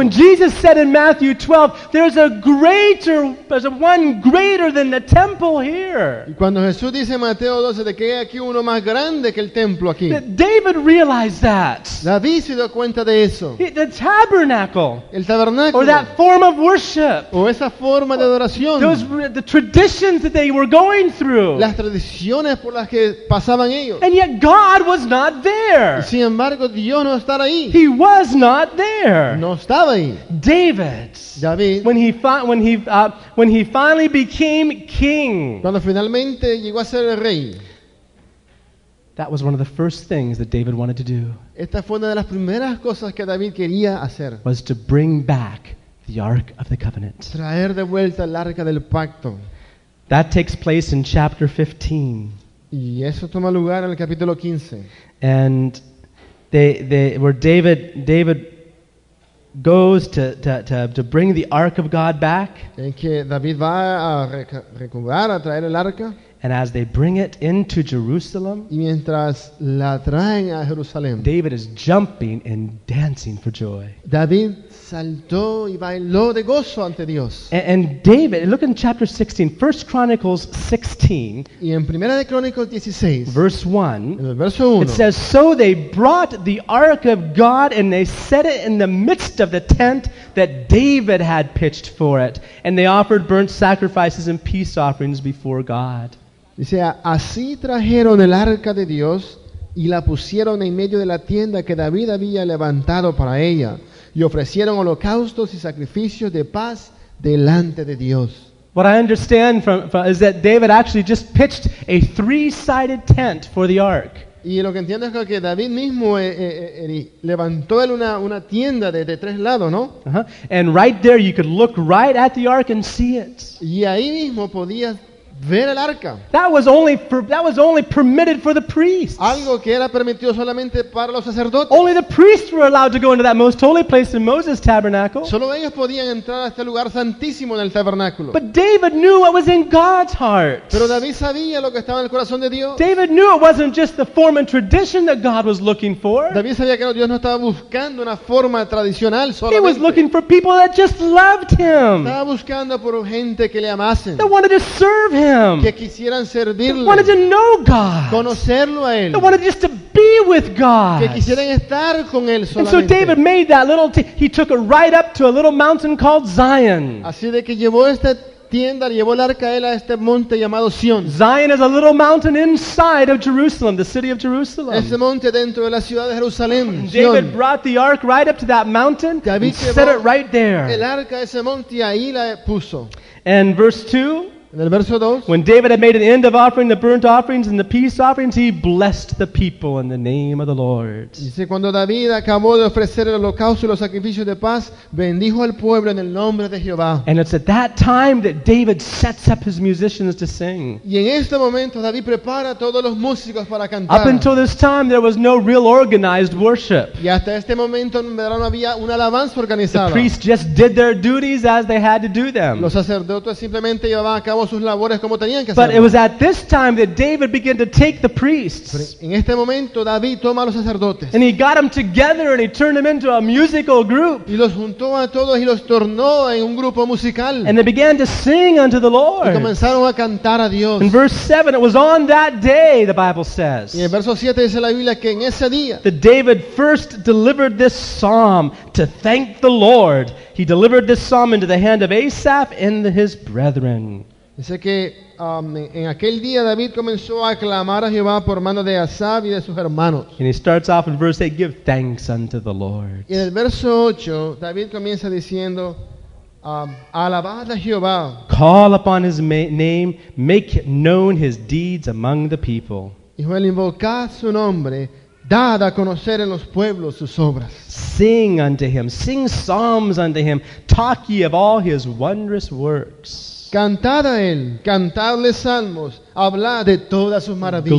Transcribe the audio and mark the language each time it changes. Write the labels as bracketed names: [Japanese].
[English] When Jesus said in Matthew 12, there's a one greater than the temple here. [Spanish] Y cuando Jesús dice en Mateo 12 de que hay aquí uno más grande que el templo aquí. [English] David realized that. [Spanish] David se dio cuenta de eso. [English] Tabernacle, [Spanish] el tabernáculo, [English] or that form of worship, [Spanish] o esa forma de adoración, [English] the traditions that they were going through, [Spanish] las tradiciones por las que pasaban ellos, [English] and yet God was not there. [Spanish] Sin embargo, Dios no estaba ahí. [English] He was not there. [Spanish] No estaba ahí. [English] David, when he finally became king, [Spanish] cuando finalmente llegó a ser el rey. [English] That was one of the first things that David wanted to do. [Spanish] Esta fue una de las primeras cosas que David quería hacer. [English] Was to bring back the Ark of the Covenant. [Spanish] Traer de vuelta el Arca del Pacto. [English] That takes place in chapter 15. [Spanish] Y eso toma lugar en el capítulo 15. [English] And David goes to bring the Ark of God back. [Spanish] En que David va a recuperar a traer el arca. [English] And as they bring it into Jerusalem, [Spanish] y mientras la traen a Jerusalén, [English] David is jumping and dancing for joy. [Spanish] David saltó y bailó de gozo ante Dios. [English] And David, look in chapter 16, 1 Chronicles 16, [Spanish] y en Primera de Crónicos 16, [English] verse 1, [Spanish] el verso 1, [English] it says, so they brought the ark of God and they set it in the midst of the tent that David had pitched for it. And they offered burnt sacrifices and peace offerings before God. [Spanish] Dice, así trajeron el arca de Dios y la pusieron en medio de la tienda que David había levantado para ella y ofrecieron holocaustos y sacrificios de paz delante de Dios. [English] What I understand from is that David actually just pitched a three-sided tent for the ark. [Spanish] Y lo que entiendo es que David mismo levantó una tienda de tres lados, ¿no? Uh-huh. [English] And right there you could look right at the ark and see it. [Spanish] Y ahí mismo podías ver el arca. [English] That was only permitted for the priests. [Spanish] Algo que era permitido solamente para los sacerdotes. [English] Only the priests were allowed to go into that most holy place in Moses' tabernacle. [Spanish] Solo ellos podían entrar a este lugar santísimo en el tabernáculo. [English] But David knew what was in God's heart. [Spanish] Pero David sabía lo que estaba en el corazón de Dios. [English] David knew it wasn't just the form and tradition that God was looking for. [Spanish] David sabía que Dios no estaba buscando una forma tradicional solamente. [English] He was looking for people that just loved him. [Spanish] Estaba buscando por gente que le amasen. [English] That wanted to serve him. [Spanish] Que quisieran servirle. [English] They wanted to know God. [Spanish] Conocerlo a él. [English] They wanted just to be with God. [Spanish] Que quisieran estar con él solamente. [English] And so David made that little he took it right up to a little mountain called Zion. [Spanish] Así de que llevó esta tienda, llevó el arca a este monte llamado Sion. [English] Zion is a little mountain inside of Jerusalem, the city of Jerusalem. [Spanish] Ese monte dentro de la ciudad de Jerusalén. [English] David brought the ark right up to that mountain. [Spanish] David [English] and set it right there. [Spanish] El arca ese monte ahí la puso. [English] And verse 2. [Spanish] En el verso 2, [English] when David had made an end of offering the burnt offerings and the peace offerings, he blessed the people in the name of the Lord. [Spanish] Dice, cuando David acabó de ofrecer el holocausto y los sacrificios de paz, bendijo al pueblo en el nombre de Jehová. [English] And it's at that time that David sets up his musicians to sing. [Spanish] Y en este momento David prepara todos los músicos para cantar. [English] Up until this time there was no real organized worship. [Spanish] Y hasta este momento no había una alabanza organizada. [English] The priests just did their duties as they had to do them. [Spanish] Los sacerdotes simplemente llevaban a cabo cabo sus labores como tenían que hacerlo. [English] But it was at this time that David began to take the priests. [Spanish] Pero en este momento David toma a los sacerdotes. [English] And he got them together and he turned them into a musical group. [Spanish] Y los juntó a todos y los tornó en un grupo musical. [English] And they began to sing unto the Lord. [Spanish] Y comenzaron a cantar a Dios. [English] In verse 7 it was on that day, the Bible says. [Spanish] Y en verso 7 dice la Biblia que en ese día [English] that David first delivered this psalm to thank the Lord. He delivered this psalm into the hand of Asaph and his brethren. [Spanish] Dice que en aquel día David comenzó a clamar a Jehová por mano de Asaph y de sus hermanos. [English] And he starts off in verse 8, give thanks unto the Lord. [Spanish] Y en el verso 8, David comienza diciendo, alabad a Jehová. [English] Call upon his name, make known his deeds among the people. [Spanish] Hijo, el invocad su nombre, dad a conocer en los pueblos sus obras. [English] Sing unto him, sing psalms unto him, talk ye of all his wondrous works. [Spanish] Cantad a él, cantadle salmos, hablad de todas sus maravillas.